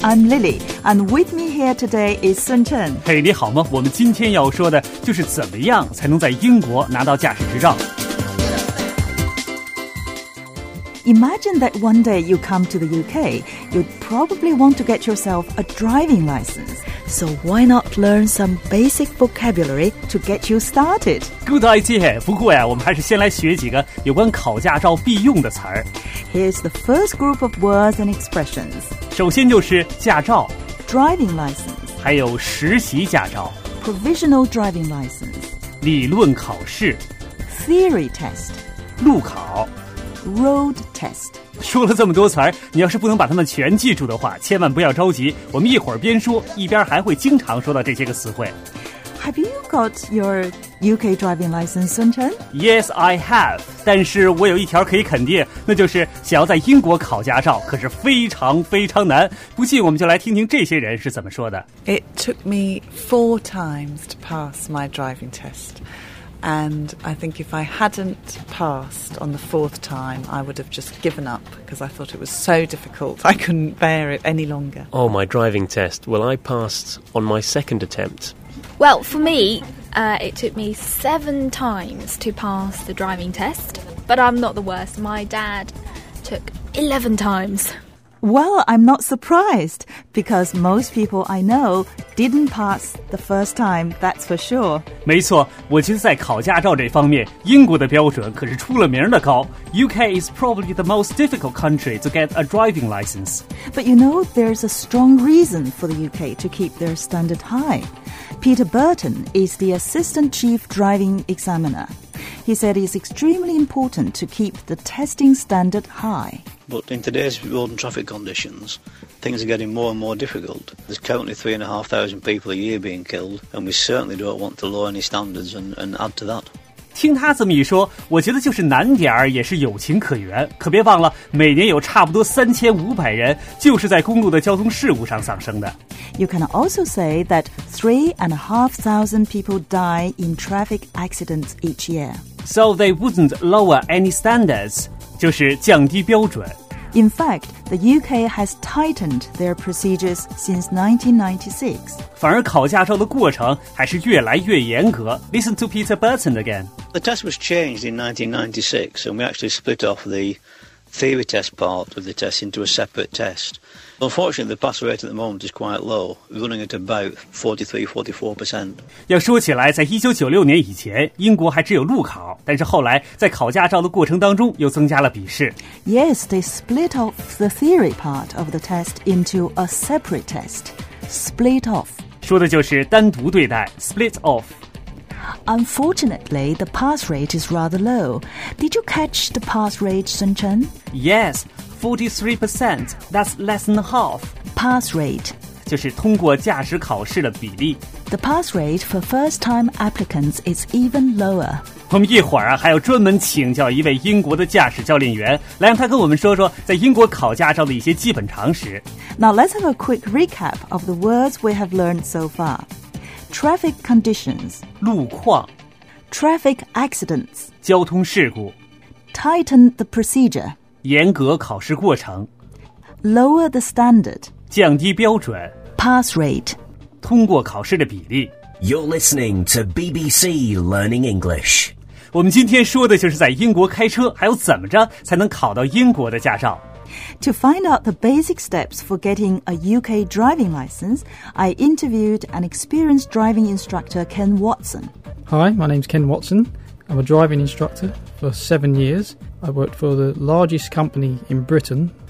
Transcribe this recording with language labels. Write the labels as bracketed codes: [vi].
[en] I'm Lily, and with me here today is Sun Chen. Hey, [zh] 你好吗？我们今天要说的就是怎么样才能在英国拿到驾驶执照。 [en] Imagine that one day you come to the UK, you'd probably want to get yourself a driving license. So why not learn some basic vocabulary to get you started? Good idea. [zh] 不过呀，我们还是先来学几个有关考驾照必用的词儿。 [en] Here's the first group of words and expressions. [zh] 首先就是驾照 [en] driving license, [zh] 还有实习驾照 [en] provisional driving license, [zh] 理论考试 [en] theory test, [zh] 路考 [en] Road test. [zh] 说了这么多词儿，你要是不能把它们全记住的话，千万不要着急。我们一会儿边说一边还会经常说到这些个词汇。 [en] Have you got your UK driving license, Sun Chen? Yes, I have. [zh] 但是我有一条可以肯定，那就是想要在英国考驾照可是非常非常难。不信，我们就来听听这些人是怎么说的。 [en] It took me 4 times to pass my driving test. And I think if I hadn't passed on the 4th time, I would have just given up because I thought it was so difficult. I couldn't bear it any longer. Oh, my driving test. Well, I passed on my 2nd attempt. Well, for me, it took me 7 times to pass the driving test. But I'm not the worst. My dad took 11 times. Well, I'm not surprised, because most people I know didn't pass the first time, that's for sure. [zh] 没错，我觉得在考驾照这方面，英国的标准可是出了名的高。 [en] UK is probably the most difficult country to get a driving license. But you know, there's a strong reason for the UK to keep their standard high. Peter Burton is the Assistant Chief Driving Examiner. He said it's extremely important to keep the testing standard high. But in today's road and traffic conditions, things are getting more and more difficult. There's currently 3,500 people a year being killed, and we certainly don't want to lower any standards and add to that. [zh] 听他这么一说，我觉得就是难点儿也是有情可原。可别忘了，每年有差不多3,500人就是在公路的交通事故上丧生的。 [en] You can also say that 3,500 people die in traffic accidents each year. So they wouldn't lower any standards. [zh] 就是降低标准。 [en] In fact, the UK has tightened their procedures since 1996. [zh] 反而考驾照的过程还是越来越严格。 [en] Listen to Peter Burton again. The test was changed in 1996, and we actually split off the theory test part of the test into a separate test. Unfortunately, the pass rate at the moment is quite low, running at about 43-44%. [zh] 要说起来，在1996年以前，英国还只有路考，但是后来在考驾照的过程当中又增加了笔试。 [en] Yes, they split off the theory part of the test into a separate test. Split off. [zh] 说的就是单独对待 ,split off. [en] Unfortunately, the pass rate is rather low. Did you catch the pass rate, Sun Chen? Yes, 43%. That's less than half. Pass rate. [zh] 就是通过驾驶考试的比例。 [en] The pass rate for first-time applicants is even lower. [zh] 我们一会儿啊，还要专门请教一位英国的驾驶教练员，来让他跟我们说说在英国考驾照的一些基本常识。 [en] Now, let's have a quick recap of the words we have learned so far. Traffic conditions, [zh] 路况 [en] Traffic accidents, [zh] 交通事故 [en] Tighten the procedure, [zh] 严格考试过程 [en] Lower the standard, [zh] 降低标准 [en] Pass rate, [zh] 通过考试的比例 [en] You're listening to BBC Learning English. [zh] 我们今天说的就是在英国开车还有怎么着才能考到英国的驾照。 [en] To find out the basic steps for getting a UK driving license, I interviewed an experienced driving instructor, Ken Watson. Hi, my name's Ken Watson. I'm a driving instructor for 7 years. I've worked for the largest company in Britain.